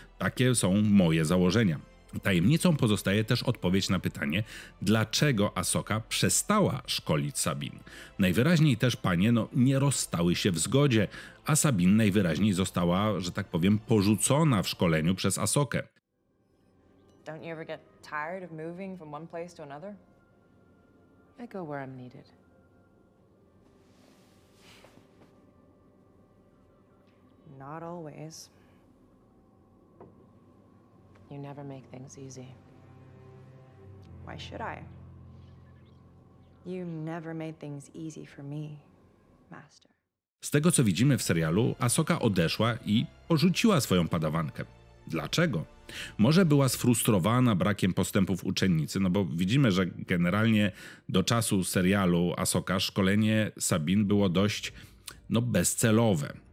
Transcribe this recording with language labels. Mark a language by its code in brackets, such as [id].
[pl] Takie są moje założenia. Tajemnicą pozostaje też odpowiedź na pytanie, dlaczego Ahsoka przestała szkolić Sabine. Najwyraźniej też panie nie rozstały się w zgodzie, a Sabine najwyraźniej została, że tak powiem, porzucona w szkoleniu przez Ahsokę. [en] Don't you ever get tired of moving from one place to another? I go where I'm needed. Not always. You never make things easy. Why should I? You never made things easy for me, Master. [pl] Z tego co widzimy w serialu, Ahsoka odeszła i porzuciła swoją padawankę. Dlaczego? Może była sfrustrowana brakiem postępów uczennicy, bo widzimy, że generalnie do czasu serialu Ahsoka szkolenie Sabine było dość bezcelowe.